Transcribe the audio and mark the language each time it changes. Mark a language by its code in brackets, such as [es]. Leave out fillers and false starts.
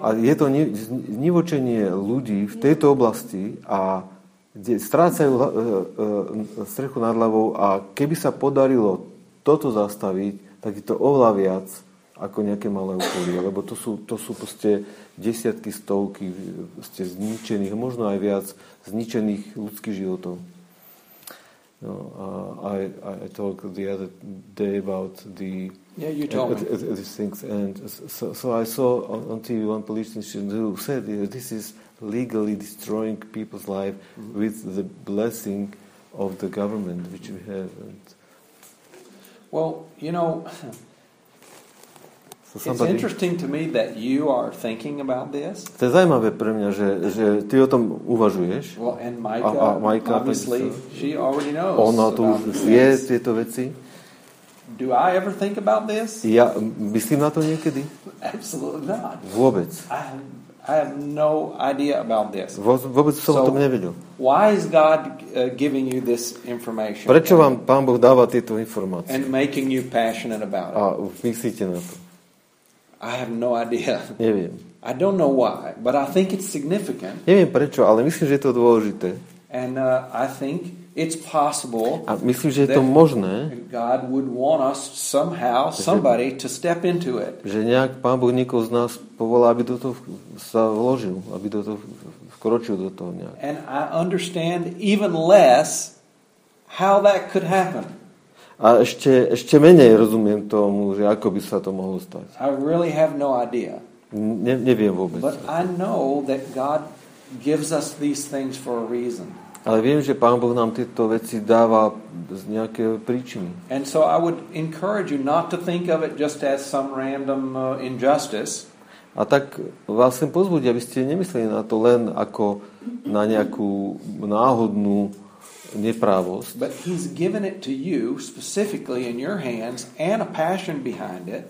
[sk] A je to znivočenie ľudí v tejto oblasti a kde strácajú strechu nad hlavou a keby sa podarilo toto zastaviť, tak je to oveľa viac ako nejaké malé okolie, lebo to sú proste desiatky, stovky proste zničených, možno aj viac zničených ľudských životov. [en] No, I talk the other day about the... Yeah, you told me. These things, and so I saw on TV one politician who said, this is legally destroying people's life with the blessing of the government, which we have. And well, you know... It's interesting to me that you are thinking about this. [sk] To je zaujímavé pre mňa, že ty o tom uvažuješ. [en] Well, and Majka, obviously, she already knows. [sk] Ona to už vie tieto veci. [en] Do I ever think about this? [sk] Ja myslím na to niekedy. [en] Absolutely not. [sk] Vôbec. [en] I have no idea about this. [sk] Vôbec som o tom nevedel. [en] Why is God giving you this information? [sk] Prečo vám Pán Boh dáva tieto informácie? [en] And making you passionate about it. [sk] A myslíte na to? [en] I have no idea. [sk] Neviem. [en] I don't know why, but I think it's significant. [sk] Neviem prečo, ale myslím, že je to dôležité. [en] And I think it's possible. [sk] A myslím, že je to možné. [en] God would want us somehow, somebody to step into it. [sk] Že nejak Pán Boh niekoho z nás povolá, aby do toho sa vložil, aby do toho vkročil do toho nejak. [en] And I understand even less how that could happen. [sk] A ešte menej rozumiem tomu, že ako by sa to mohlo stať. [en] I really have no idea. [sk] Neviem vôbec. [en] But I know that God gives us these things for a reason. [sk] Ale viem, že Pán Boh nám tieto veci dáva z nejaké príčiny. [en] And so I would encourage you not to think of it just as some random injustice. [sk] A tak vás chcem pozbudiť, aby ste nemysleli na to len ako na nejakú náhodnú neprávosť. [en] But he's given it to you specifically in your hands and a passion behind it.